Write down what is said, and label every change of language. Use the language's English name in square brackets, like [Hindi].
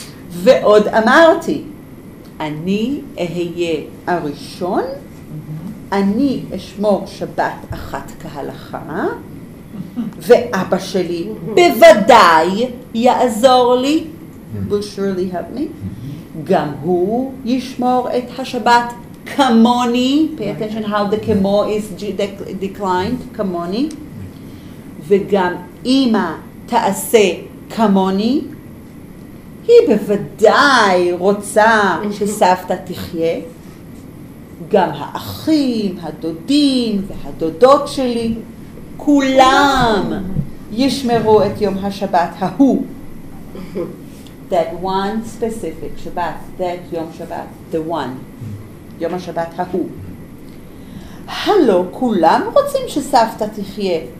[Hebrew] ועוד אמרתי, אני אהיה הראשון, אני אשמור שבת אחת כהלכה, ואבא שלי בוודאי יעזור לי, [English] will surely help me. [Hebrew] גם הוא ישמור את השבת כמוני. [English] Pay attention how the כמו is declined, כמוני. [Hebrew] וגם אמא תעשה כמוני. היא בוודאי רוצה שסבתא תחיה. גם האחים, הדודים והדודות שלי, כולם ישמרו את יום השבת ההוא. [English] That one specific Shabbat, that יום שבת, the one, [Hebrew] יום השבת ההוא. הלו, כולם רוצים שסבתא תחיה.